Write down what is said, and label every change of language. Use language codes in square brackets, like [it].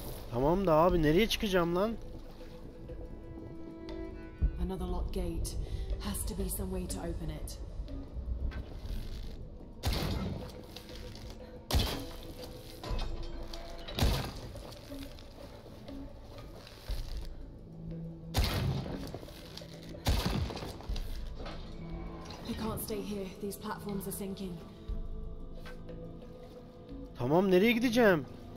[tr] Tamam da abi, nereye çıkacağım lan? [en] Another locked gate. Has to be some way to open it. We can't stay here. These platforms are sinking. [tr] Tamam, nereye gideceğim?